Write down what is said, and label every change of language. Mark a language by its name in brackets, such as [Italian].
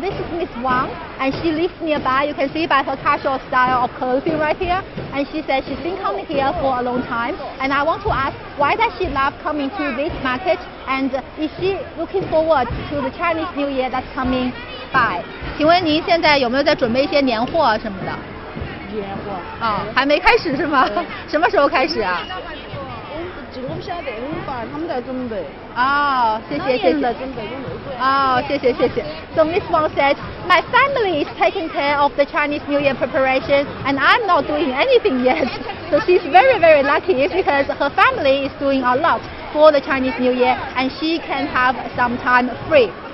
[English] This is Miss Wang, and she lives nearby. You can see by her casual style of clothing right here. And she says she's been coming here for a long time. And I want to ask, why does she love coming to this market? And is she looking forward to the Chinese New Year that's coming by? [Chinese] 请问您现在有没有在准备一些年货什么的？年货还没开始是吗？什么时候开始啊？我不晓得，我们爸他们在准备。谢谢。 [English] So Miss Wang said, my family is taking care of the Chinese New Year preparation, and I'm not doing anything yet. So she's very, very lucky because her family is doing a lot for the Chinese New Year, and she can have some time free.